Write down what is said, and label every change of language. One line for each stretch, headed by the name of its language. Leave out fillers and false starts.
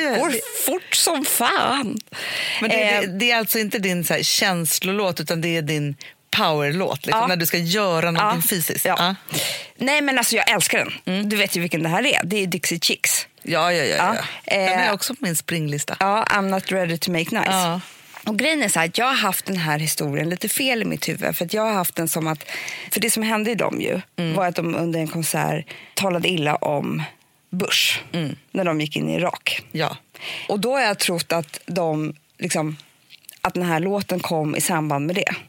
Swedish: Går fort som fan. Men det är alltså inte din så här känslolåt, utan det är din powerlåt. Liksom, när du ska göra någonting fysiskt. Ja. Nej, men alltså jag älskar den. Mm. Du vet ju vilken det här är. Det är Dixie Chicks. Ja. Den är också på min springlista.
English: Ja, I'm not ready to make nice. Ja.
Swedish: Och grejen är så här, att jag har haft den här historien lite fel i mitt huvud. För att jag har haft den som att... För det som hände i dem ju var att de under en konsert talade illa om Bush. Mm. När de gick in i Irak. Ja. Och då har jag trott att de liksom... Att den här låten kom i samband med det.